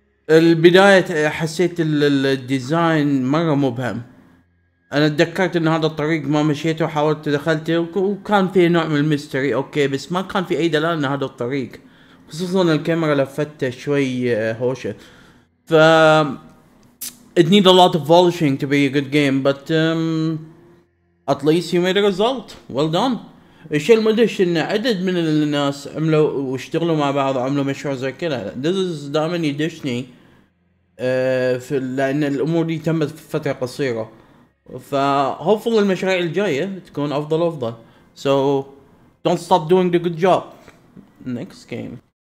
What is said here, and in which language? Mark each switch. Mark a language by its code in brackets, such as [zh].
[ar] البداية حسيت الديزاين مرة مبهم. انا اتذكرت ان هذا الطريق ما مشيته وحاولت دخلت وكان فيه نوع من الميستري اوكي، بس ما كان في اي دلالة ان هذا الطريق، خصوصا ان الكاميرا لفتها شوي هوشة. [en] ف it need a lot of polishing to be a good game, but at least you made a result. Well done. [ar] الشيء المدهش ان عدد من الناس عملوا واشتغلوا مع بعض وعملوا مشروع زي كذا. [en] This is [ar] دائما يدهشني في لان الامور دي تمت في فتره قصيره. ف [en] hopefully [ar] المشاريع الجايه تكون افضل افضل. [en] So don't stop doing the good job. Next game.